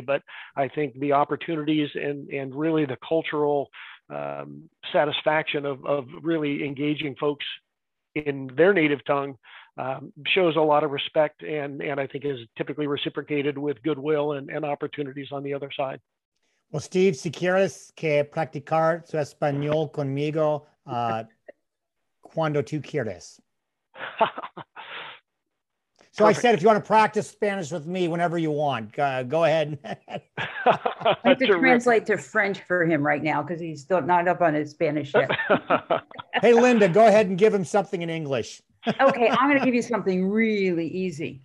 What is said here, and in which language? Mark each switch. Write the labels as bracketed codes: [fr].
[en] But I think the opportunities and really the cultural satisfaction of really engaging folks in their native tongue shows a lot of respect, and I think is typically reciprocated with goodwill and opportunities on the other side. Well, Steve, [es] si quieres que practicar su español conmigo, cuando tú quieres. [en] So perfect. I said, if you want to practice Spanish with me whenever you want, go ahead. I have to translate to French for him right now because he's still not up on his Spanish yet. Hey, Linda, go ahead and give him something in English. Okay, I'm going to give you something really easy.